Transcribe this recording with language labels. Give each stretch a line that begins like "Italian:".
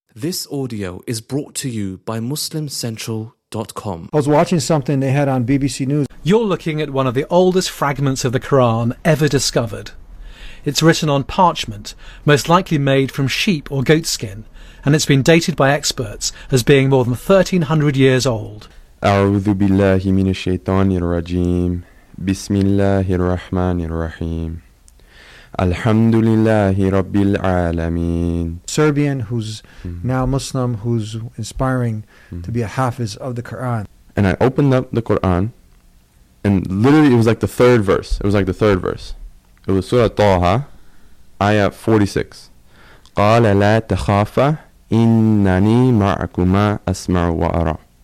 English: This audio is brought to you by MuslimCentral.com. I was watching something they had on BBC News. You're looking at one of the oldest fragments of the Quran ever discovered. It's written on parchment, most likely made from sheep or goat skin, and it's been dated by experts as being more than 1,300 years old.
Arabic: أعوذ بالله من الشيطان الرجيم بسم الله الرحمن الرحيم الحمد لله رب العالمين.
English: Serbian who's now Muslim, who's inspiring to be a hafiz of the Quran. And I opened up the Quran, and literally it was like the third verse. It was Surah Taha, ayah 46.
Arabic: قَالَ لَا تَخَافَ إِنَّنِي مَعْكُمَا أَسْمَعُ وَأَرَى.